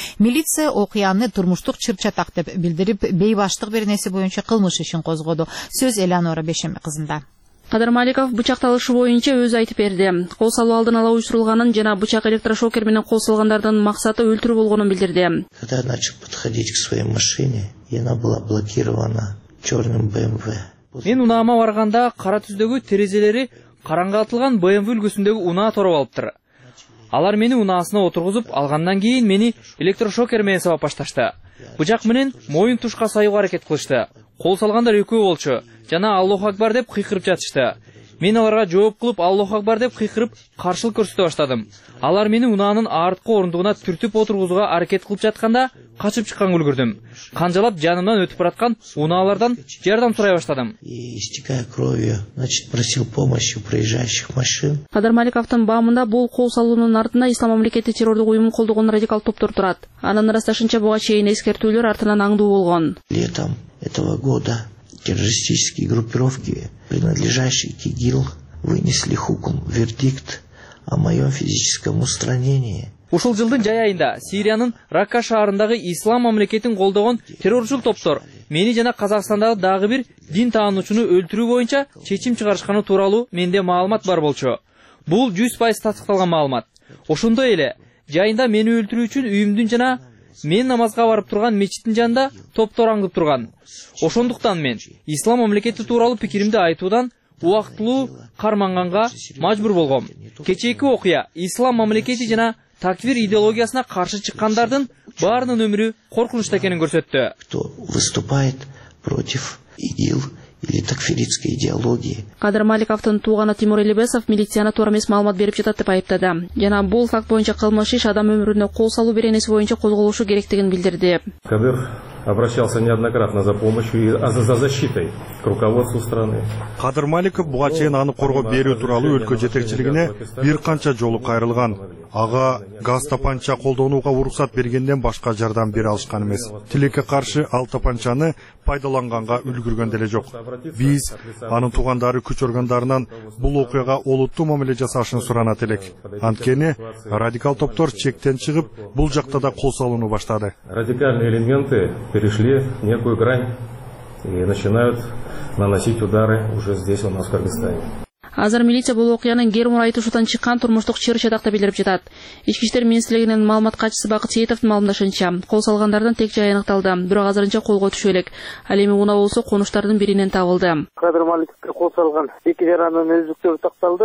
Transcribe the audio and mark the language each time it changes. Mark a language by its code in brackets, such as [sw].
[ky] Милиция окуяны турмуштук чыр чатак деп билдирип, бейбаштык беренеси боюнча кылмыш ишин козгоду. Сөз Элеонора Бешеми кызында. Кадыр Маликов бычакталышы боюнча өзү айтып берди. Кол салуу алдын ала уюштурулганын жана бычак электрошокер менен кол салгандардын максаты өлтүрүү болгонун билдирди. [ru] Когда я начал подходить к своей машине, она была блокирована черным БМВ. [ky] Мен унаама барганда кара түздөгү терезелери караңгы атылган БМВ үлгүсүндөгү унаа тороп алыптыр. Алар мени унаасына отургузуп алгандан кийин мени электрошокер менен сабап башташты. Бычак менен моюн тушка саюуга аракет кылышты. Кол салгандар экөө болчу жана Аллах Акбар деп кыйкырып жатышты. Мен аларга жооп кылып Аллах Акбар деп кыйкырып каршылык көрсөтө баштадым. Алар мени унаанын арткы орундугуна түртүп отургузууга аракет кылып жатканда качып чыкканга үлгүрдүм. Канжалап жанымдан өтүп бараткан унаалардан жардам сурай баштадым. [ru] Истекая кровью, значит, просил помощи у проезжающих машин. [ky] Кадыр Маликовтун баамында бул кол салуунун артында Ислам мамлекети террордук уюму колдогон радикал топтор турат. Анын ырасташынча буга чейин эскертүүлөр артынан аңдуу болгон. [ru] Летом этого года террористические группировки, принадлежащие к ИГИЛ, вынесли хукум, вердикт о моем физическом устранении. [ky] Ушул жылдын жай айында Сириянын Ракка шаарындагы Ислам мамлекетин колдогон терроржул топтор мени жана Казакстандагы дагы бир дин таануучуну өлтүрүү боюнча чечим чыгарышканы тууралуу менде маалымат бар болчу. Бул 100% тастыкталган маалымат. Ошондой эле жайында мени өлтүрүү үчүн үйүмдүн жана мен намазга барып турган мечиттин жанында топтор аңдып турган. Ошондуктан мен Ислам мамлекети тууралуу пикиримди айтуудан убактылуу карманганга мажбур болгом. Кечээки окуя Ислам мамлекети жана таквир идеологиясына каршы чыккандардын баарынын өмүрү коркунучта экенин көрсөттү. [ru] Кто выступает против ИГИЛ или таквиритской идеологии? [ky] Кадыр Маликовтун тууганы Тимур Элибесов милицияны туура эмес маалымат берип жатат деп айыптады. Жана бул факт боюнча кылмыш иш адам өмүрүнө кол салуу беренеси боюнча козголушу керектигин билдирди. [ru] Кадыр обращался неоднократно за помощью и за защитой к руководству страны. [ky] Кадыр Маликов буга чейин аны коргоо берүү тууралуу өлкө жетекчилигине бир канча жолу кайрылган. Ага газ тапанча колдонууга уруксат бергенден башка жардам бере алышкан эмес. Тилекке каршы ал тапанчаны пайдаланганга үлгүргөн деле жок. Биз анын туугандары күч органдарынан бул окуяга олуттуу мамиле жасашын суранат элек. Анткени радикал топтор чектен чыгып бул жакта да кол салынуу баштады. [ru] Радикальные элементы перешли некую грань и начинают наносить удары уже здесь, у нас, в Кыргызстане. [ky] Азыр милиция бул окуянын гермур айтышуудан чыккан турмуштук чыр чатакта билдирип жатат. Ички иштер министрлигинин маалыматкачысы Бакыт Сейитовдун маалымдашынча, кол салгандардын тек жайы аныкталды, бирок азырынча колго түшө элек. Ал эми унаа болсо конуштардын биринен табылды. Кадыр Маликовго кол салган эки жер анын өздүктөрү такталды.